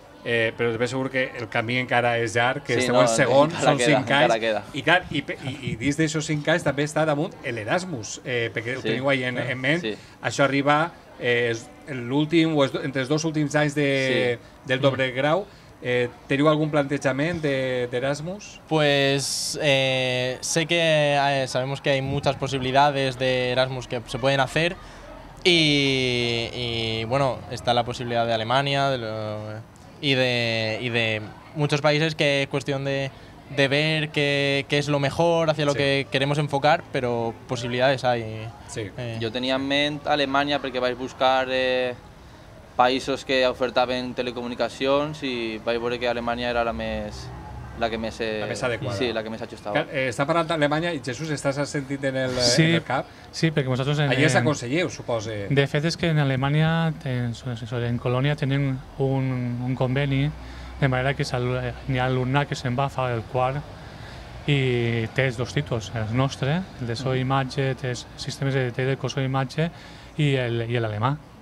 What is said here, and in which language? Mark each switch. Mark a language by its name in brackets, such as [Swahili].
[Catalan] Però també segur que el camí encara és llarg, que sí, no, el segon no, són 5 anys. I clar, i dins d'aixòs 5 anys també està damunt l'Erasmus, perquè sí, ho teniu ahí en ment. Sí. Això arriba l'últim, o entre els dos últims anys del doble grau. [Spanish] ¿Teniu algún planteamiento de Erasmus? Pues sé que sabemos que hay muchas posibilidades de Erasmus que se pueden hacer y bueno, está la posibilidad de Alemania y de muchos países, que es cuestión de ver qué es lo mejor hacia lo sí. que queremos enfocar, pero posibilidades hay. Sí. Yo tenía en mente Alemania porque vais a buscar... [Catalan] països que ofertaven telecomunicacions i vaig veure que Alemanya era la més adequada. Sí, la que més ajustava. Està parlant d'Alemanya i Jesús, estàs sentint en el, sí, en el cap? Sí, perquè vosaltres... Allí és aconselleu, suposo. De fet, és que en Alemanya, en Colònia, tenen un conveni de manera que hi ha alumnat que se'n va a fer el quart i té dos títols, el nostre, el de so i imatge, té sistemes de teleco, so i imatge i l'alemà.